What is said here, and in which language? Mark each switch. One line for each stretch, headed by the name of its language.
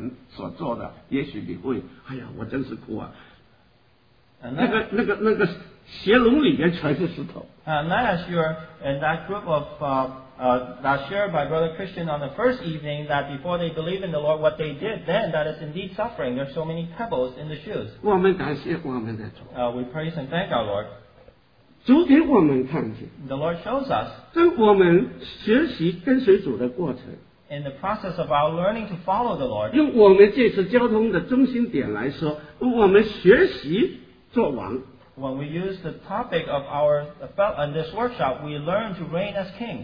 Chinese: 除非你是像西征弟兄头一个晚上所说的那一部分的当年的还没有在主的光里头的弟兄姊妹们所做的，也许你会，哎呀，我真是苦啊。那个鞋笼里面全是石头。
English: Now, as you're in that group of that shared by Brother Christian on the first evening, that before they believed in the Lord, what they did then, that is indeed suffering. There are so many pebbles in the shoes. We praise and thank our Lord.
Chinese: 主给我们看见,
English: the Lord shows us
Chinese: 跟我们学习跟随主的过程,
English: in the process of our learning to follow the Lord.
Chinese: 用我们这次交通的中心点来说, 我们学习做王,
English: When we use the topic of our in this workshop, we learn to reign as kings.